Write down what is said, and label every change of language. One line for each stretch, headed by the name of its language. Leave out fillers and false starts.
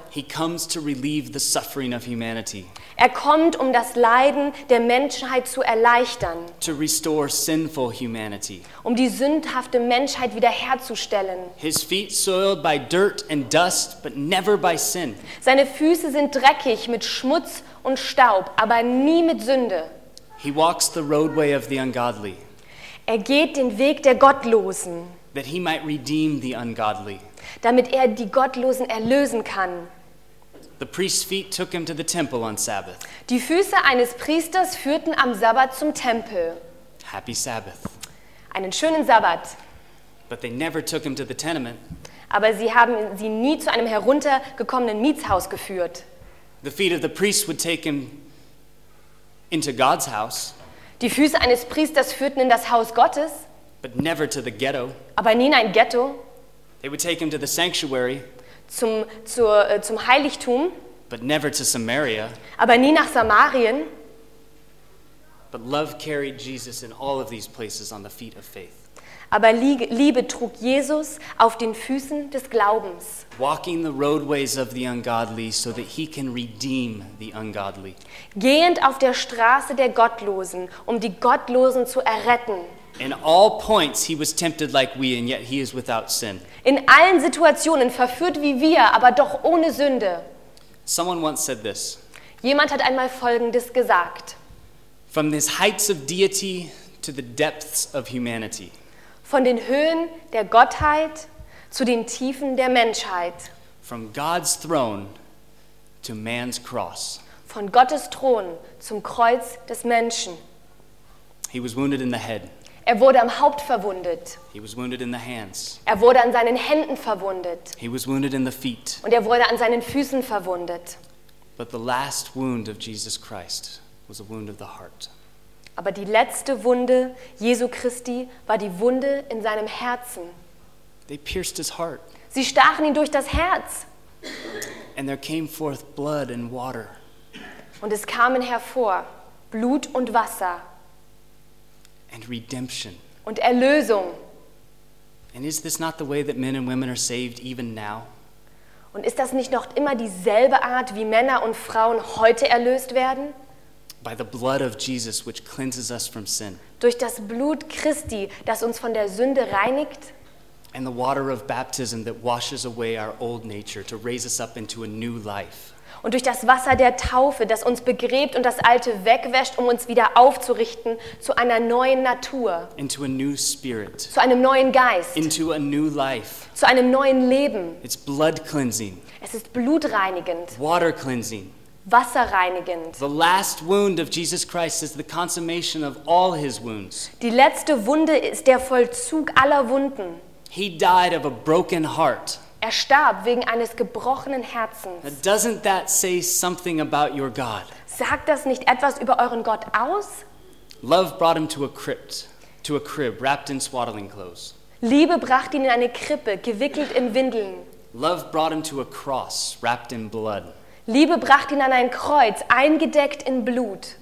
English: He comes to relieve the suffering of humanity.
German: Er kommt, um das Leiden der Menschheit zu erleichtern.
English: To restore sinful humanity.
German: Um die sündhafte Menschheit wiederherzustellen.
English: His feet soiled by dirt and dust, but never by sin.
German: Seine Füße sind dreckig mit Schmutz und Staub, aber nie mit Sünde.
English: He walks the roadway of the ungodly.
German: Er geht den Weg der Gottlosen.
English: That he might redeem the ungodly.
German: Damit er die Gottlosen erlösen kann.
English: The priest's feet took him to the temple on Sabbath.
German: Die Füße eines Priesters führten am Sabbat zum Tempel.
English: Happy Sabbath.
German: Einen schönen Sabbat.
English: But they never took him to the tenement.
German: Aber sie haben sie nie zu einem heruntergekommenen Mietshaus geführt.
English: The feet of the priest would take him into God's house.
German: Die Füße eines Priesters führten in das Haus Gottes.
English: But never to the ghetto.
German: Aber nie in ein Ghetto.
English: They would take him to the sanctuary.
German: Zum Heiligtum.
English: But never to Samaria.
German: Aber nie nach Samarien.
English: But love carried Jesus in all of these places on the feet of faith.
German: Aber Liebe trug Jesus auf den Füßen des Glaubens.
English: Walking the roadways of the ungodly so that he can redeem the ungodly.
German: Gehend auf der Straße der Gottlosen, um die Gottlosen zu erretten.
English: In all points he was tempted like we, and yet he is without sin.
German: In allen Situationen verführt wie wir, aber doch ohne Sünde.
English: Someone once said this.
German: Jemand hat einmal Folgendes gesagt.
English: From the heights of deity to the depths of humanity.
German: Von den Höhen der Gottheit zu den Tiefen der Menschheit.
English: From God's throne to man's cross.
German: Von Gottes Thron zum Kreuz des Menschen.
English: He was wounded in the head.
German: Er wurde am Haupt verwundet.
English: He was wounded in the hands.
German: Er wurde an seinen Händen verwundet.
English: He was wounded in the feet.
German: Und er wurde an seinen Füßen verwundet.
English: But the last wound of Jesus Christ was a wound of the heart.
German: Aber die letzte Wunde Jesu Christi war die Wunde in seinem Herzen.
English: They pierced his heart.
German: Sie stachen ihn durch das Herz.
English: And there came forth blood and water.
German: Und es kamen hervor Blut und Wasser.
English: And redemption.
German: Und Erlösung.
English: And is this not the way that men and women are saved even now?
German: Und ist das nicht noch immer dieselbe Art, wie Männer und Frauen heute erlöst werden?
English: By the blood of Jesus, which cleanses us from sin.
German: Durch das Blut Christi, das uns von der Sünde reinigt.
English: And the water of baptism that washes away our old nature to raise us up into a new life.
German: Und durch das Wasser der Taufe, das uns begräbt und das Alte wegwäscht, um uns wieder aufzurichten zu einer neuen Natur.
English: Into a new spirit.
German: Zu einem neuen Geist.
English: Into a new life.
German: Zu einem neuen Leben.
English: It's blood cleansing.
German: Es ist blutreinigend.
English: Water cleansing.
German: Wasserreinigend.
English: The last wound of Jesus Christ is the consummation of all his wounds.
German: Die letzte Wunde ist der Vollzug aller Wunden.
English: He died of a broken heart.
German: Er starb wegen eines gebrochenen Herzens.
English: Now, doesn't that say something about your God?
German: Sagt das nicht etwas über euren Gott aus?
English: Love brought him to a crypt, to a crib wrapped in swaddling clothes.
German: Liebe brachte ihn in eine Krippe, gewickelt in Windeln.
English: Love brought him to a cross, wrapped in blood.
German: Liebe brachte ihn an ein Kreuz, eingedeckt in Blut.